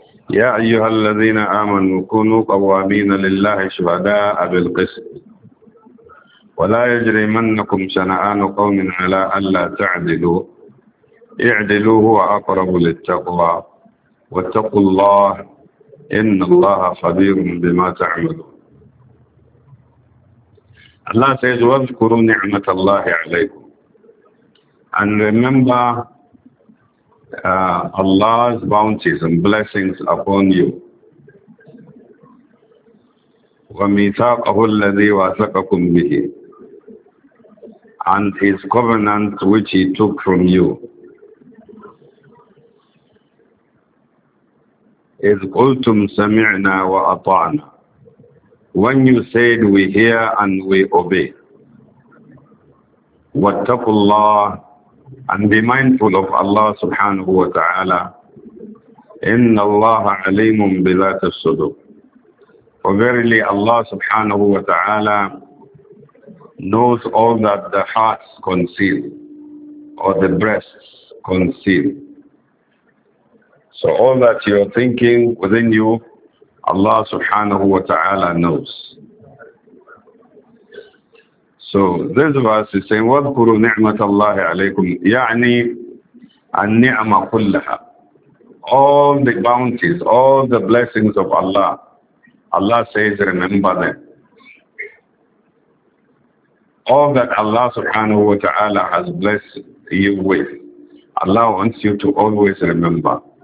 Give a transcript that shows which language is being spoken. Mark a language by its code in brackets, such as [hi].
[ar] يا أيها الذين آمنوا كونوا قوامين لله شهداء بالقسط ولا يجرمنكم شنآن قوم على ألا تعدلوا اعدلوا هو أقرب للتقوى واتقوا الله إن الله خبير بما تعملون. [en] الله says [ar] واذكروا نعمة الله عليكم [en] and remember Allah's bounties and blessings upon you. [ar] وميثاقه الذي واثقكم به [en] and his covenant which he took from you. [ar] إذ قلتم سمعنا وأطعنا. [en] When you said we hear and we obey. [ar] واتقوا الله [en] and be mindful of Allah [ar] سبحانه وتعالى. إن الله عليم بذات الصدور. [en] For verily Allah [ar] سبحانه وتعالى [en] knows all that the hearts conceal or the breasts conceal. So all that you're thinking within you, Allah subhanahu wa ta'ala knows. So this verse is saying, [ar] وَذْكُرُوا نِعْمَةَ اللَّهِ عَلَيْكُمْ يَعْنِي النِّعْمَ كُلَّهَا. [en] All the bounties, all the blessings of Allah, Allah says, remember them. all that Allah subhanahu wa ta'ala has blessed you with, Allah wants you to always remember.